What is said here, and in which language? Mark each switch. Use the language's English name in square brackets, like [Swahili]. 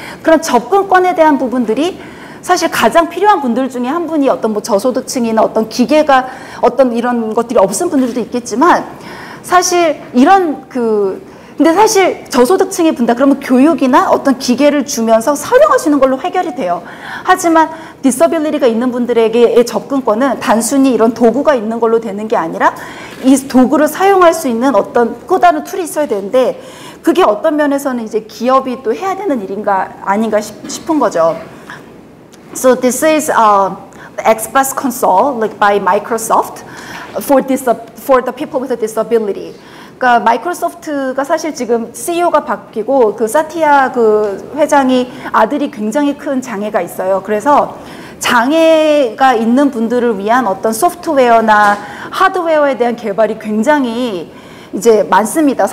[Korean] 그런 접근권에 대한 부분들이 사실 가장 필요한 분들 중에 한 분이 어떤 뭐 저소득층이나 어떤 기계가 어떤 이런 것들이 없은 분들도 있겠지만, 사실 이런 그, 근데 사실 저소득층이 분다 그러면 교육이나 어떤 기계를 주면서 사용하시는 걸로 해결이 돼요. 하지만 디서빌리티가 있는 분들에게의 접근권은 단순히 이런 도구가 있는 걸로 되는 게 아니라 이 도구를 사용할 수 있는 어떤 또 다른 툴이 있어야 되는데, 그게 어떤 면에서는 이제 기업이 또 해야 되는 일인가 아닌가 싶은 거죠. [English] So this is Xbox console like by Microsoft for the people with a disability. [Korean] 그러니까 마이크로소프트가 사실 지금 CEO가 바뀌고 그 사티아 그 회장이 아들이 굉장히 큰 장애가 있어요. 그래서 장애가 있는 분들을 위한 어떤 소프트웨어나 하드웨어에 대한 개발이 굉장히 이제 많습니다.